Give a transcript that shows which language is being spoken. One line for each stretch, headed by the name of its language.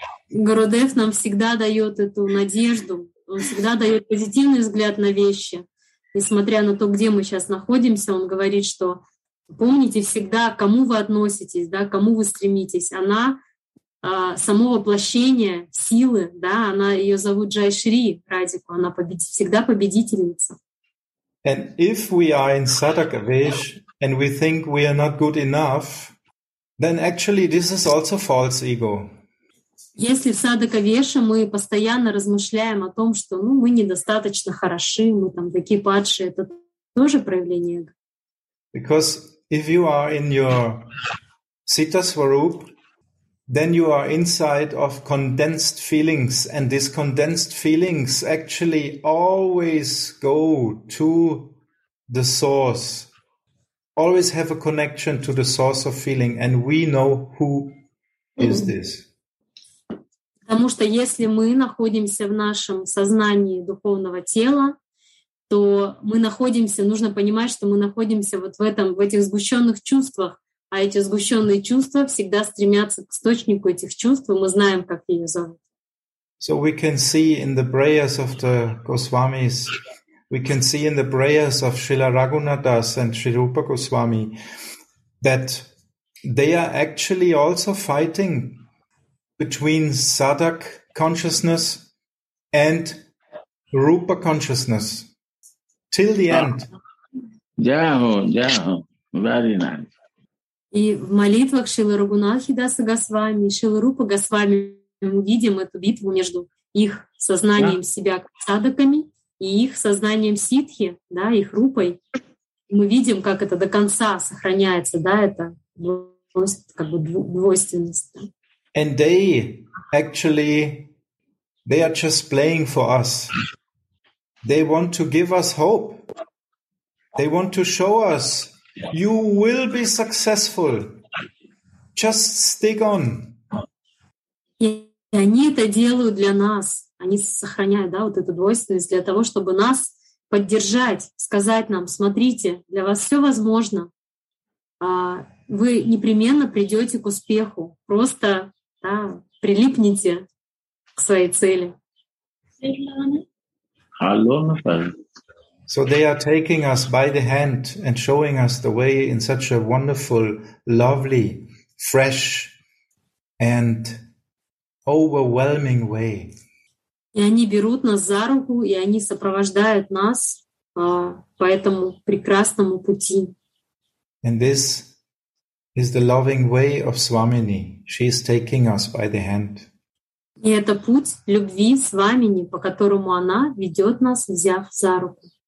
Russian: Гурудев нам всегда дает эту надежду. Он всегда дает позитивный взгляд на вещи, несмотря на то, где мы сейчас находимся. Он говорит, что помните всегда, к кому вы относитесь, да, к кому вы стремитесь. Она само воплощение силы, да, она ее зовут Джай Шри Радику, она всегда победительница.
English: And if we are in Sadaka Vesh and we think we are not good enough, then actually this is also false ego.
Russian: Если в Sadaka Vesh мы постоянно размышляем о том, что ну, мы недостаточно хороши, мы там такие падшие, это тоже проявление эго.
English: Because if you are in your Sita Swarup, then you are inside of condensed feelings, and these condensed feelings actually always go to the source, always have a connection to the source of feeling, and we know who is this.
Russian: Потому что если мы находимся в нашем сознании духовного тела, то мы находимся, нужно понимать, что мы находимся вот в этом, в этих сгущенных чувствах. А эти сгущенные чувства всегда стремятся к источнику этих чувств, и мы знаем, как ее зовут.
English: So we can see in the prayers of the Goswamis, we can see in the prayers of Srila Raghunathdas and Sri Rupa Goswami that they are actually also fighting between Sadak consciousness and Rupa consciousness till the end. Yeah, yeah, very nice.
Russian: И в молитвах Шрилы Рагунатхи Даса Госвами, Шрилы Рупа Госвами мы видим эту битву между их сознанием себя садаками и их сознанием ситхи, да, их рупой. Мы видим, как это до конца сохраняется, да, это как бы двойственность.
English: And they actually, they are just playing for us. They want to give us hope. They want to show us you will be successful. Just stick on.
Russian: И они это делают для нас. Они сохраняют, да, вот эту двойственность для того, чтобы нас поддержать, сказать нам: смотрите, для вас все возможно. Вы непременно придете к успеху. Просто, да, прилипните к своей цели. Алло,
English: so they are taking us by the hand and showing us the way in such a wonderful, lovely, fresh, and overwhelming way.
Russian: И они берут нас за руку, и они сопровождают нас по этому прекрасному пути.
English: And this is the loving way of Swamini. She is taking us by the hand.
Russian: И это путь любви Свамини, по которому она ведет нас, взяв за руку.